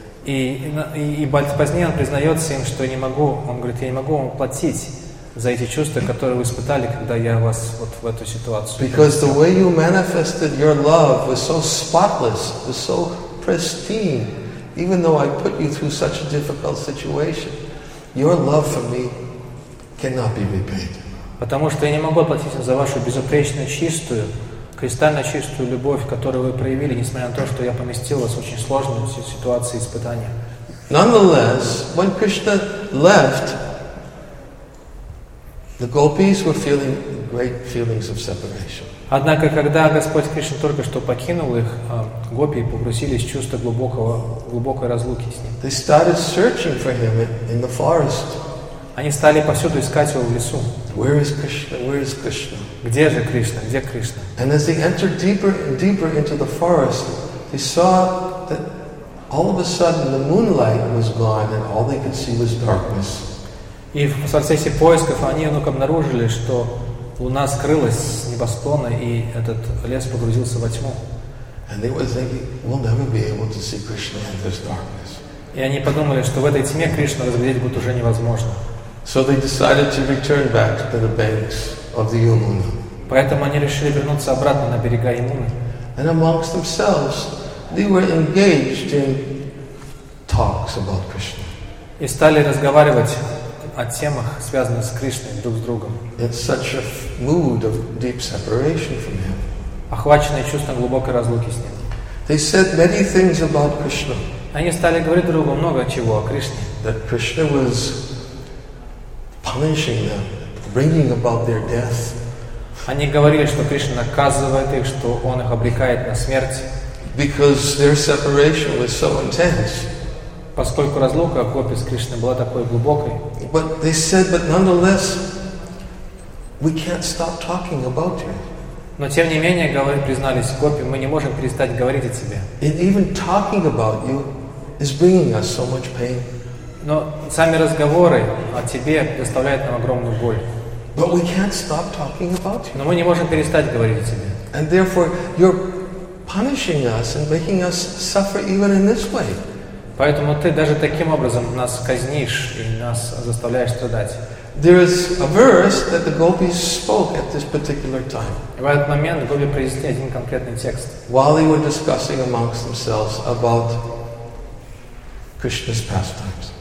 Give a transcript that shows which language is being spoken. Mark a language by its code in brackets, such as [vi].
[ru] И позднее он признается им, что не могу, он говорит, я не могу вам платить за эти чувства, которые вы испытали, когда я вас вот в эту ситуацию. [en] Because the way you manifested your love was so spotless, was so pristine, even though I put you through such a difficult situation, your love for me cannot be repaid. [ru] Потому что я не могу платить за вашу безупречную, чистую, кристально чистую любовь, которую вы проявили, несмотря на то, что я поместил вас в очень сложную ситуацию испытания. [en] Nonetheless, when Krishna left, the gopis were feeling great feelings of separation. [ru] Однако, когда Господь Кришна только что покинул их, гопи погрузились в чувство глубокой разлуки с ним. [en] They started searching for him in the forest. [ru] Они стали повсюду искать его в лесу. [en] Where is Krishna? Where is Krishna? [ru] Где же Кришна? Где Кришна? [en] And as they entered deeper and deeper into the forest, they saw that all of a sudden the moonlight was gone and all they could see was darkness. [ru] И в процессе поисков они вдруг обнаружили, что луна скрылась с небосклона, и этот лес погрузился во тьму. [en] And they were thinking, we'll never be able to see Krishna in this darkness. [ru] И они подумали, что в этой тьме Кришну разглядеть будет уже невозможно. [en] So they decided to return back to the banks of the Yamuna. [ru] Поэтому они решили вернуться обратно на берега Ямуны. [en] And amongst themselves, they were engaged in talks about Krishna. [ru] И стали разговаривать о темах, связанных с Кришной друг с другом. [en] In such a mood of deep separation from him. [ru] Охваченные чувством глубокой разлуки с ним. [en] They said many things about Krishna. [ru] Они стали говорить другу много чего о Кришне. [en] That Krishna was punishing them, bringing about their death. [ru] Они говорили, что Кришна наказывает их, что он их обрекает на смерть. [en] Because their separation was so intense. [ru] Поскольку разлука гопи с Кришной была такой глубокой. [en] But they said, but nonetheless, we can't stop talking about you. [ru] Но тем не менее, говорили, признались гопи, мы не можем перестать говорить о тебе. [en] And even talking about you is bringing us so much pain. [ru] Но сами разговоры о тебе доставляют нам огромную боль. [en] But we can't stop talking about you. [ru] Но мы не можем перестать говорить о тебе. [en] And therefore, you're punishing us and making us suffer even in this way. [ru] Поэтому ты даже таким образом нас казнишь и нас заставляешь страдать. [en] There is a verse that the gopis spoke at this particular time. [ru] В этот момент гопи произнесли один конкретный текст. [en] While they were discussing amongst themselves about Krishna's pastimes.